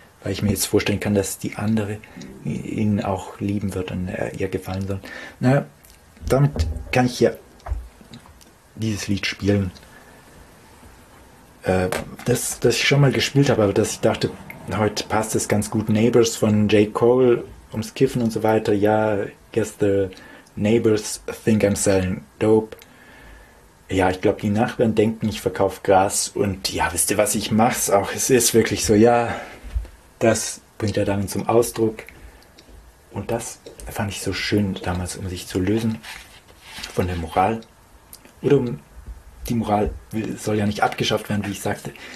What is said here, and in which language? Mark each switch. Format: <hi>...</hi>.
<de>Weil ich mir jetzt vorstellen kann, dass die andere ihn auch lieben wird und ihr gefallen soll. Naja, damit kann ich hier dieses Lied spielen. Das ich schon mal gespielt habe, aber dass ich dachte, heute passt es ganz gut. Neighbors von J. Cole, ums Kiffen und so weiter.</de> <en>Ja, guess the neighbors think I'm selling dope.</en> <de>Ja, ich glaube, die Nachbarn denken, ich verkaufe Gras. Und ja, wisst ihr was, ich mach's auch. Es ist wirklich so, ja, das bringt er dann zum Ausdruck. Und das fand ich so schön damals, um sich zu lösen von der Moral. Oder um die Moral soll ja nicht abgeschafft werden, wie ich sagte.</de>